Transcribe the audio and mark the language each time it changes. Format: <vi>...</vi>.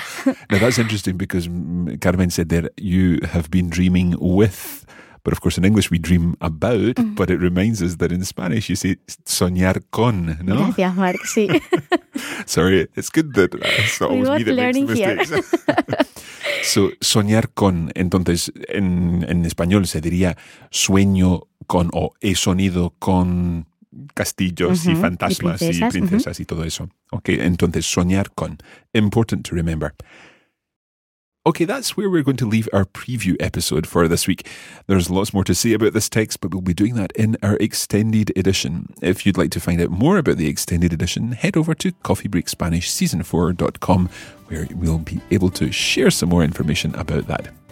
<en>Now, that's interesting because Carmen said there you have been dreaming with. But of course, in English, we dream about, mm-hmm. but it reminds us that in Spanish, you say soñar con, no?</en> <es>Gracias, Mark, sí.</es> <en>Sorry, it's good that it's not always me that learning makes the mistakes.</en> <es>So, soñar con, entonces, en español se diría sueño con o he sonido con castillos mm-hmm. y fantasmas y princesas mm-hmm. y todo eso.</es> <en>Okay,</en> <es>entonces, soñar con,</es> <en>important to remember. Okay, that's where we're going to leave our preview episode for this week. There's lots more to say about this text, but we'll be doing that in our extended edition. If you'd like to find out more about the extended edition, head over to coffeebreakspanishseason4.com, where we'll be able to share some more information about that.</en>